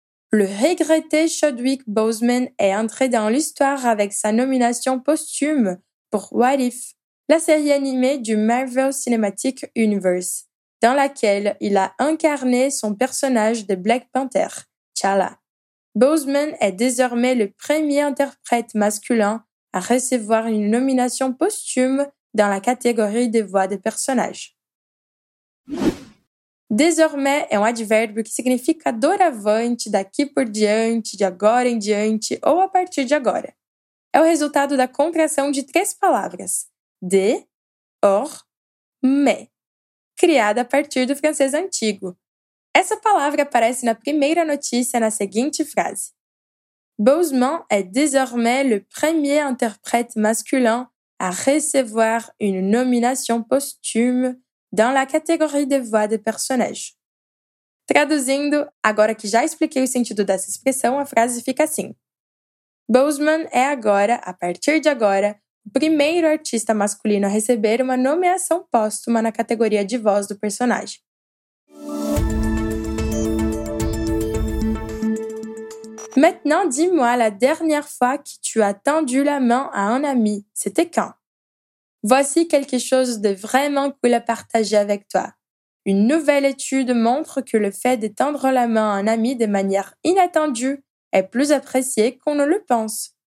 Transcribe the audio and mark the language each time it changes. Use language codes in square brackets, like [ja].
[fr] Le regretté Chadwick Boseman est entré dans l'histoire avec sa nomination posthume pour What If, la série animée du Marvel Cinematic Universe, dans laquelle il a incarné son personnage de Black Panther, T'Challa. Boseman est désormais le premier interprète masculin à recevoir une nomination posthume dans la catégorie des voix de personnages. [pt] Désormais é um advérbio que significa doravante, daqui por diante, de agora em diante ou a partir de agora. É o resultado da contração de três palavras, de, or, me, criada a partir do francês antigo. Essa palavra aparece na primeira notícia na seguinte frase. [fr] Boseman é désormais le premier interprète masculin à recevoir une nomination posthume dans la catégorie de voix de personnage. [pt] Traduzindo, agora que já expliquei o sentido dessa expressão, a frase fica assim. Boseman é agora, a partir de agora, o primeiro artista masculino a receber uma nomeação póstuma na categoria de voz do personagem. [fr] Maintenant, dis-moi la dernière fois que tu as tendu la main à un ami, c'était quand? Voici quelque chose de vraiment cool à partager avec toi. Une nouvelle étude montre que le fait d'étendre la main à un ami de manière inattendue est plus apprécié qu'on ne le pense.